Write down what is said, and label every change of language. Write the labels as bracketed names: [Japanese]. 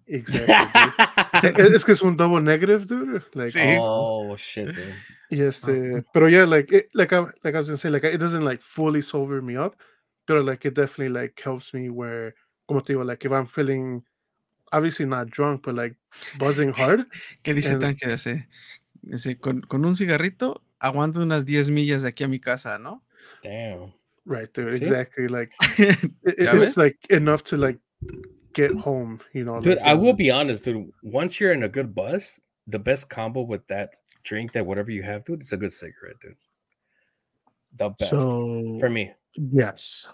[English] Exactly. It's because one double negative, dude. Like, oh shit, dude. Yes, but yeah, like it, like I was gonna say, like it doesn't like fully sober me up, but like it definitely like helps me where, [Spanish] como te digo, [English] like if I'm feeling obviously not drunk, but like buzzing hard. [Spanish] ¿Qué dice Tanque? Dice, con un cigarrito, aguanto unas 10 millas de aquí a mi casa, ¿no? [English] Damn. Right, dude, [Spanish] ¿sí? [English] Exactly. Like, it's like enough to like get home, you know? Dude, like, I will be honest, dude. Once you're in a good buzz, the best combo with that drink, that whatever you have, dude, it's a good cigarette, dude. The best for me. Yes.